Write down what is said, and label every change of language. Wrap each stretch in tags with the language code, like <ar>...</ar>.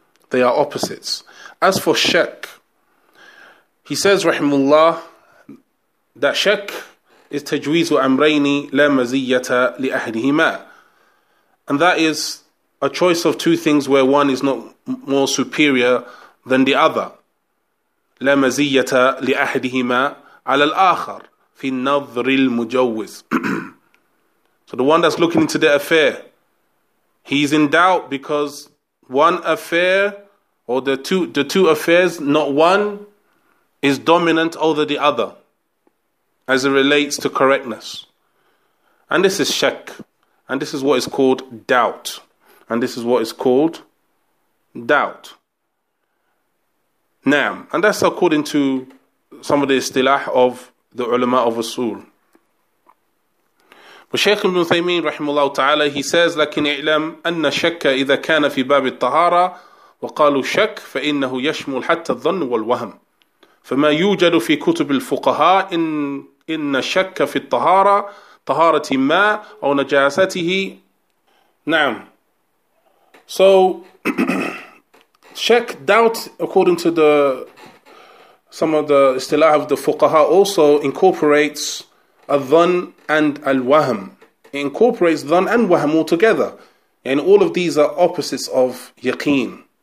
<en>They are opposites. As for shak, he says, Rahimullah, that shak is</en> <ar>tajweezu amrayni la maziyata li ahdihima.</ar> <en>And that is a choice of two things where one is not more superior than the other.</en> <ar>La maziyata li ahdihima على الآخر في النظر المجوز.</ar> <en>So the one that's looking into the affair, he's in doubt because one affair, or the two affairs, not one is dominant over the other. as it relates to correctness. And this is shak. And this is what is called doubt. And this is what is called doubt. Now, and that's according to some of the istilah of the ulama of usul. But Shaykh ibn Thaymin, rahimahullah ta'ala, he says,</en> <ar>لَكِنْ إِعْلَمْ أَنَّ شَكَّ إِذَا كَانَ فِي بَابِ الطَّهَارَةِ وَقَالُوا شَكْ فَإِنَّهُ يَشْمُلْ حَتَّى الظَّنُّ وَالْوَهَمْ فَمَا يُوجَدُ فِي كُتُبِ الْفُقَهَاءِ إِنَّ شَكَّ فِي الطَّهَارَةِ طَهَارَةِ مَا أَوْ نَجَاسَتِهِ. نعم.</ar> <en>So, shak, doubt, according to some of the istilah of the fuqaha, also incorporates al-dhan and al-wahm. It incorporates dhan and wahm all together. And all of these are opposites of yaqeen.</en>